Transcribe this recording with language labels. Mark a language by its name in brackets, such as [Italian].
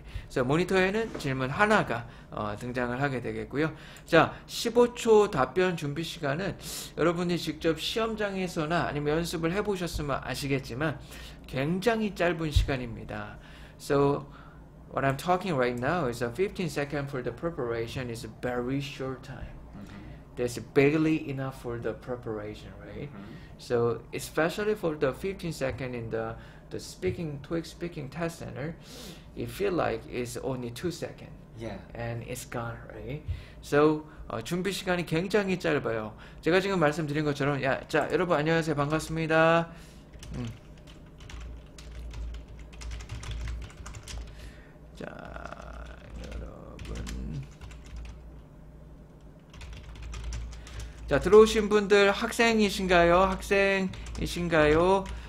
[Korean] So 모니터에는 질문 하나가 등장을 하게 되겠고요. 자, 15초 답변 준비 시간은 여러분이 직접 시험장에서나 아니면 연습을 해보셨으면 아시겠지만 굉장히 짧은 시간입니다. [English] So what I'm talking right now is a 15 second for the preparation is a very short time. That's barely enough for the preparation, right? So especially for the 15 second in the speaking TOEIC speaking test center, it feel like it's only 2 seconds and it's gone, right? [Korean] So 준비 시간이 굉장히 짧아요. 제가 지금 말씀드린 것처럼 야, 자, 여러분 안녕하세요. 반갑습니다. 자, 여러분. 자, 들어오신 분들 학생이신가요? 학생이신가요?